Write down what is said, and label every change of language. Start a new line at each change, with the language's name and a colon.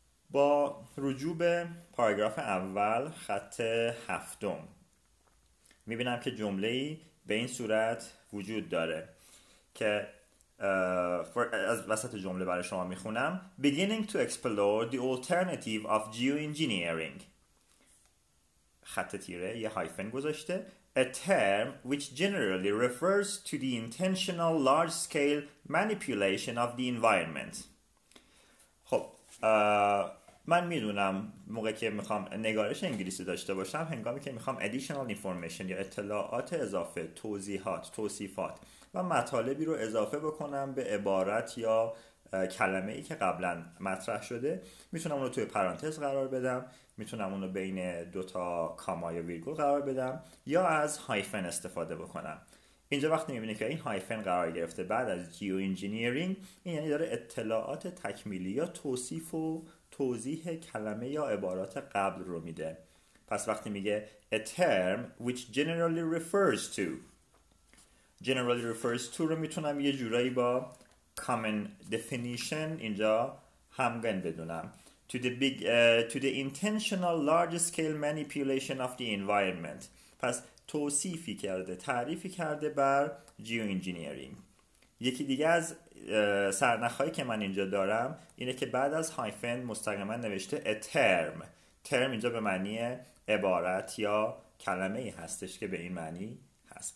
Persian: با رجوع به پاراگراف اول خط هفتم میبینم که جمله ای به این صورت وجود داره که از وسط جمله برای شما میخونم:
English: Beginning to explore the alternative of geoengineering.
Persian: خط تیره یه هایفن گذاشته.
English: A term which generally refers to the intentional large-scale manipulation of the environment.
Persian: خب من میدونم موقع که میخوام نگارش انگلیسی داشته باشم، هنگامی که میخوام
English: additional information
Persian: یا اطلاعات اضافه، توضیحات، توصیفات و مطالبی رو اضافه بکنم به عبارت یا کلمه‌ای که قبلا مطرح شده، میتونم اون رو توی پرانتز قرار بدم، میتونم اون رو بین دوتا کاما یا ویرگول قرار بدم یا از هایفن استفاده بکنم. اینجا وقتی میبینه که این هایفن قرار گرفته بعد از جیو انجینیرینگ، این یعنی داره اطلاعات تکمیلی یا توصیف و توضیح کلمه یا عبارات قبل رو میده. پس وقتی میگه
English: A term which generally refers to، generally refers to
Persian: رو میتونم یه جورایی با
English: common definition
Persian: اینجا همگن بدونم،
English: to the intentional large scale manipulation of the environment.
Persian: پس توصیفی کرده، تعریفی کرده بر geoengineering. یکی دیگه از سرنخ‌هایی که من اینجا دارم اینه که بعد از هایفن مستقیما نوشته
English: a term.
Persian: term اینجا به معنی عبارت یا کلمه‌ای هستش که به این معنی هست.